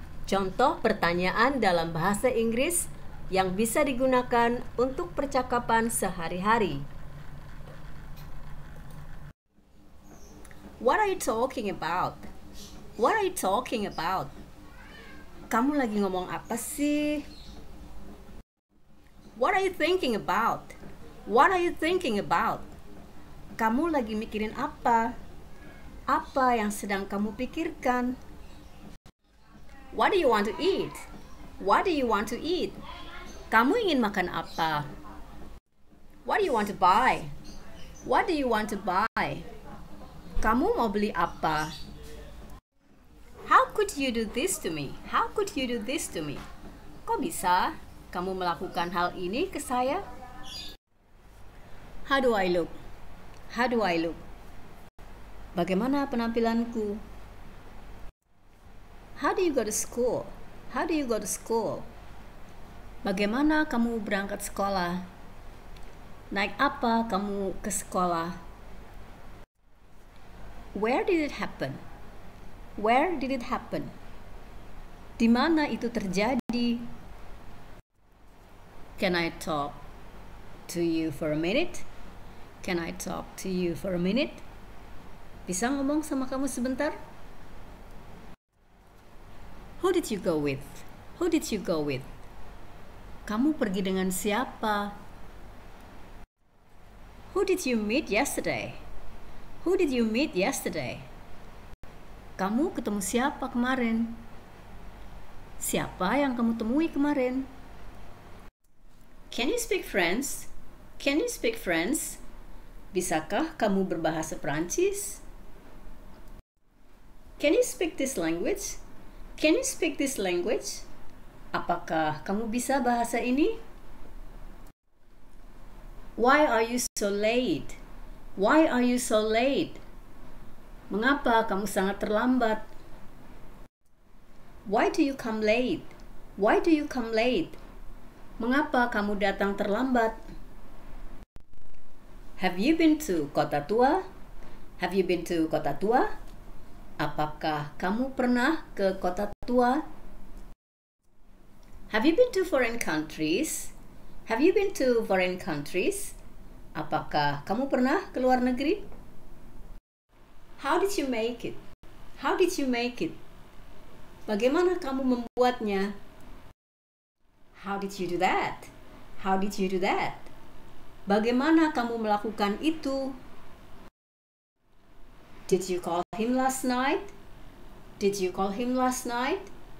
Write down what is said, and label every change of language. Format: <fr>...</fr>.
<id>Contoh pertanyaan dalam bahasa Inggris yang bisa digunakan untuk percakapan sehari-hari.</id> <en>What are you talking about? What are you talking about?</en> <id>Kamu lagi ngomong apa sih?</id> <en>What are you thinking about? What are you thinking about?</en> <id>Kamu lagi mikirin apa? Apa yang sedang kamu pikirkan?</id> <en>What do you want to eat? What do you want to eat?</en> <id>Kamu ingin makan apa?</id> <en>What do you want to buy? What do you want to buy?</en> <id>Kamu mau beli apa?</id> <en>How could you do this to me? How could you do this to me?</en> <id>Kok bisa kamu melakukan hal ini ke saya?</id> <en>How do I look? How do I look?</en> <id>Bagaimana penampilanku?</id> <en>How do you go to school? How do you go to school?</en> <id>Bagaimana kamu berangkat sekolah? Naik apa kamu ke sekolah?</id> <en>Where did it happen? Where did it happen?</en> <id>Di mana itu terjadi?</id> <en>Can I talk to you for a minute? Can I talk to you for a minute?</en> <id>Bisa ngomong sama kamu sebentar?</id> <en>Who did you go with? Who did you go with?</en> <id>Kamu pergi dengan siapa?</id> <en>Who did you meet yesterday? Who did you meet yesterday?</en> <id>Kamu ketemu siapa kemarin? Siapa yang kamu temui kemarin?</id> <en>Can you speak French? Can you speak French?</en> <id>Bisakah kamu berbahasa Perancis?</id> <en>Can you speak this language? Can you speak this language?</en> <id>Apakah kamu bisa bahasa ini?</id> <en>Why are you so late? Why are you so late?</en> <id>Mengapa kamu sangat terlambat?</id> <en>Why do you come late? Why do you come late?</en> <id>Mengapa kamu datang terlambat?</id> <en>Have you been to Kota Tua? Have you been to Kota Tua?</en> <id>Apakah kamu pernah ke Kota Tua?</id> <en>Have you been to foreign countries? Have you been to foreign countries?</en> <id>Apakah kamu pernah ke luar negeri?</id> <en>How did you make it? How did you make it?</en> <id>Bagaimana kamu membuatnya?</id> <en>How did you do that? How did you do that?</en> <id>Bagaimana kamu melakukan itu?</id> <en>Did you call him last night? Did you call him last night?</en>